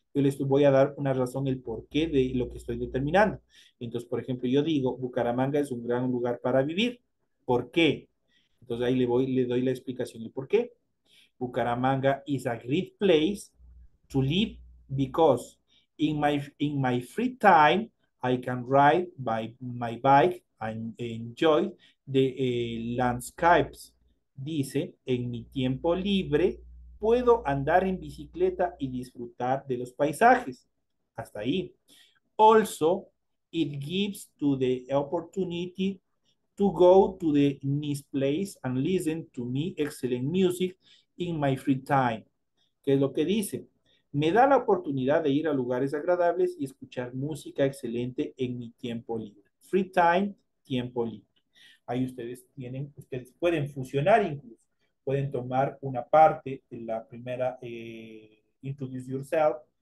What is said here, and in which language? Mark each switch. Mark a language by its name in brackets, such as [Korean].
[Spanish] Yo les voy a dar una razón, el porqué de lo que estoy determinando. Entonces, por ejemplo, yo digo, Bucaramanga es un gran lugar para vivir. ¿Por qué? Entonces, ahí le doy la explicación del porqué. [English] Bucaramanga is a great place to live because in my free time, I can ride by my bike and enjoy the landscapes. [Spanish] Dice, en mi tiempo libre, puedo andar en bicicleta y disfrutar de los paisajes. Hasta ahí. [English] Also, it gives to the opportunity to go to the nice place and listen to me excellent music in my free time. [Spanish] ¿Qué es lo que dice? Me da la oportunidad de ir a lugares agradables y escuchar música excelente en mi tiempo libre. [English] Free time, [Spanish] tiempo libre. Ahí ustedes pueden fusionar incluso. Pueden tomar una parte de la primera, [English] introduce yourself.